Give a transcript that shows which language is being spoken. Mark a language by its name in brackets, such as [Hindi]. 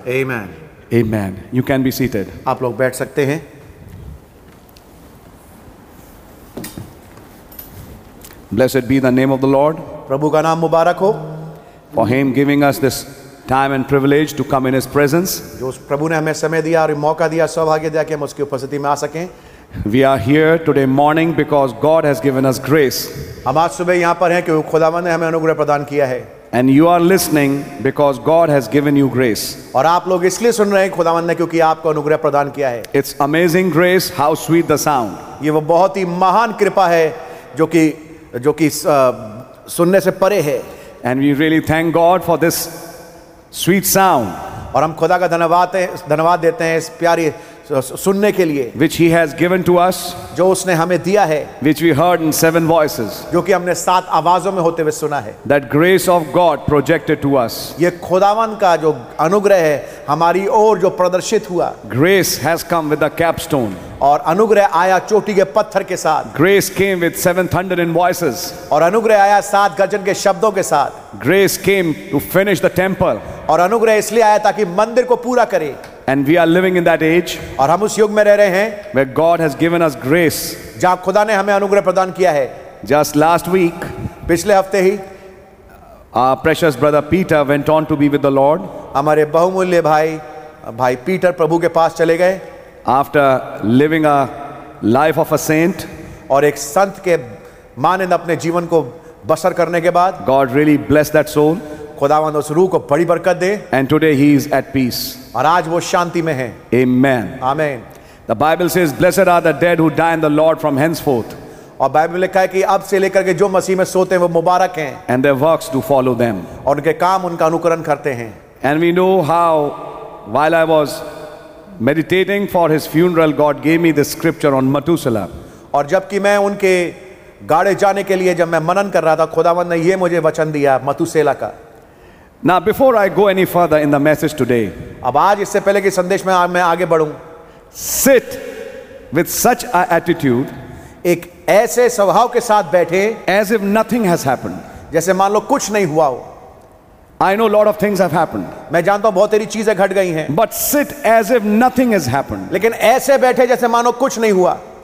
[English] Amen. Amen. You can be seated. [Hindi] आप लोग बैठ सकते हैं. [English] Blessed be the name of the Lord. [Hindi] प्रभु का नाम मुबारक हो. [English] For him giving us this time and privilege to come in his presence. [Hindi] जो प्रभु ने हमें समय दिया और मौका दिया, सौभाग्य दिया कि हम उसकी उपस्थिति में आ सकें. [English] We are here today morning because God has given us grace. [Hindi] हम आज सुबह यहाँ पर हैं क्योंकि खुदावंद ने हमें अनुग्रह प्रदान किया है. [English] And you are listening because God has given you grace. [Hindi] और आप लोग इसलिए सुन रहे हैं खुदावंद ने क्योंकि आपको अनुग्रह प्रदान किया है. [English] It's amazing grace, how sweet the sound. [Hindi] ये वो बहुत ही महान कृपा है जो कि सुनने से परे है. [English] And we really thank God for this sweet sound. [Hindi] और हम खुदा का धन्यवाद देते हैं इस प्यारी सुनने के लिए, [English] which he has given to us, [Hindi] जो उसने हमें दिया है, [English] which we heard in seven voices, [Hindi] जो कि हमने सात आवाजों में होते हुए सुना है, [English] that grace of God projected to us, [Hindi] ये खुदावन का जो अनुग्रह है हमारी ओर जो प्रदर्शित हुआ, [English] grace has come with a capstone, [Hindi] और अनुग्रह आया चोटी के पत्थर के साथ, [English] grace came with seven thundering voices, [Hindi] और अनुग्रह आया सात गर्जन के शब्दों के साथ, [English] grace came to finish the temple, [Hindi] और अनुग्रह इसलिए आया ताकि मंदिर को पूरा करे. [English] And we are living in that age, [Hindi] और हम उस युग में रह रहे हैं, [English] where God has given us grace, [Hindi] जहाँ खुदा ने हमें अनुग्रह प्रदान किया है. [English] Just last week, [Hindi] पिछले हफ्ते ही, [English] our precious brother Peter went on to be with the Lord, [Hindi] हमारे बहुमूल्य भाई पीटर प्रभु के पास चले गए, [English] after living a life of a saint, [Hindi] और एक संत के मानिंद अपने जीवन को बसर करने के बाद, [English] God really blessed that soul. [Hindi] खुदावंद उस रूह को बड़ी बरकत दे. [English] And today he is at peace. [Hindi] और आज वो शांति में है. [English] Amen. Amen. The Bible says, "Blessed are the dead who die in the Lord from henceforth." [Hindi] और बाइबल लिखा है कि अब से लेकर के जो मसीह में सोते हैं वो मुबारक हैं. [English] And their works do follow them. [Hindi] और उनके काम उनका अनुकरण करते हैं. [English] And we know how, while I was meditating for his funeral, God gave me this scripture on Methuselah. [Hindi] और जबकि मैं उनके गाड़े जाने के लिए जब मैं मनन कर रहा था, खुदावंद ने ये मुझे वचन दिया मथुसेला का. [English] Now before I go any further in the message today, [Hindi] अब आज इससे पहले कि संदेश में मैं आगे बढूं, [English] sit with such an attitude, [Hindi] एक ऐसे स्वभाव के साथ बैठे, [English] as if nothing has happened, [Hindi] जैसे मान लो कुछ नहीं हुआ हो. [English] I know a lot of things have happened, [Hindi] मैं जानता हूं बहुत सारी चीजें घट गई हैं, [English] but sit as if nothing has happened, [Hindi] लेकिन ऐसे बैठे जैसे मानो कुछ नहीं हुआ.